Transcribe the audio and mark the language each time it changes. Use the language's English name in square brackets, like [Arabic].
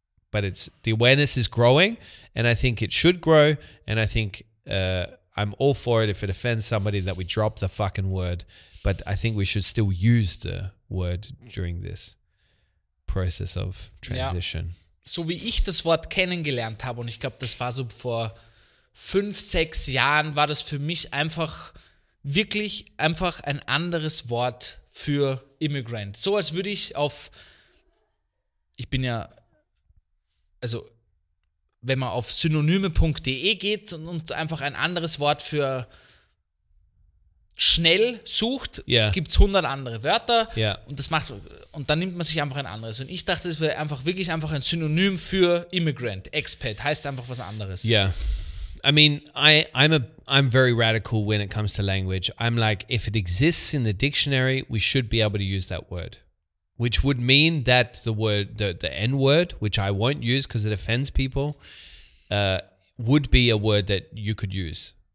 [English] But it's the awareness is growing and I think it should grow and I think I'm all for it if it offends somebody that we drop the fucking word, but I think we should still use the word during this process of transition. [German] Ja. So wie ich das Wort kennengelernt habe und ich glaube, das war so vor 5, 6 Jahren, war das für mich einfach wirklich einfach ein anderes Wort für Immigrant. So als würde ich auf, ich bin ja, also, wenn man auf synonyme.de geht und einfach ein anderes Wort für schnell sucht, gibt es 100 andere Wörter. [English] Yeah. [German] Und das macht, und dann nimmt man sich einfach ein anderes. Und ich dachte, es wäre einfach wirklich einfach ein Synonym für Immigrant. Expat heißt einfach was anderes. [English] Yeah. I mean, I'm very radical when it comes to language. I'm like, if it exists in the dictionary, we should be able to use that word. Which would mean that the word, the N-word, which I won't use because it offends people, would be a word that you could use.